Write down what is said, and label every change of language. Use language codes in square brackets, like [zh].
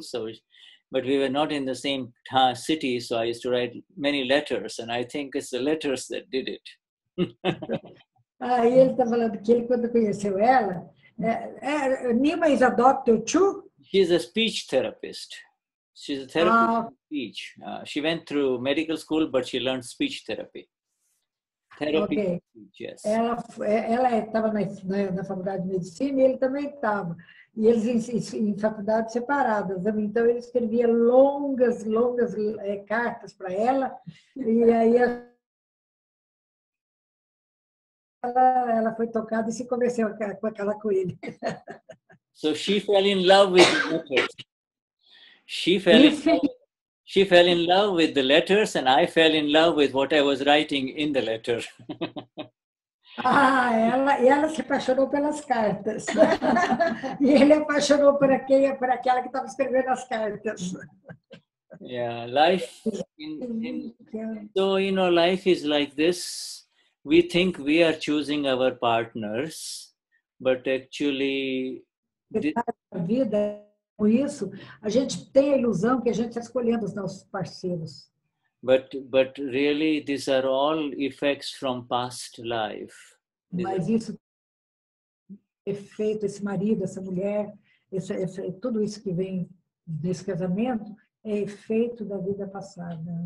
[en] So, but we were not in the same city, so I used to write many letters and I think it's the letters that did it. [pt] Aí ele está falando que ele, quando conheceu ela, Nima [en] is a doctor too? She's a speech therapist. She's a therapist of speech. She went through medical school, but she learned speech therapy. Therapy, okay. Yes. [pt] Ela estava na faculdade de medicina e ele também estava. E eles em faculdades separadas. Então, ele escrevia longas cartas para ela. E aí, ela foi tocada e se convenceu com aquela coelha. [en] So she fell in love with the letters. She fell in love with the letters and I fell in love with what I was writing in the letter. [pt] ela se apaixonou pelas cartas. E ele apaixonou por aquela que estava escrevendo as cartas. [en] Yeah, life is like this. We think we are choosing our partners, but actually [pt] a vida com isso a gente tem a ilusão que a gente está escolhendo os nossos parceiros. [en] But really these are all effects from past life. [pt] Mas isso efeito, esse marido, essa mulher, esse tudo isso que vem desse casamento é efeito da vida passada.